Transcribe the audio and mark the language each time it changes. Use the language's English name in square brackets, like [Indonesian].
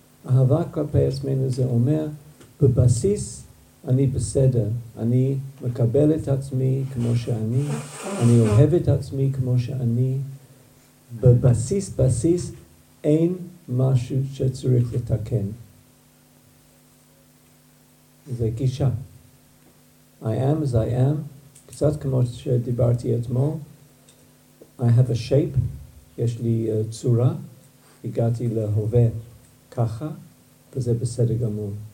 [Hebrew] אהבה כלפי עצמנו זה אומר, בבסיס אני בסדר. אני מקבל את עצמי כמו שאני, אני אוהב את עצמי כמו שאני. בבסיס, בסיס, אין משהו שצריך לתקן. זה גישה. [English] I am as I am, [Hebrew] קצת כמו שדיברתי אתמול. [English] I have a shape, [Hebrew] יש לי צורה. הגעתי להווה ככה, וזה בסדר גמור.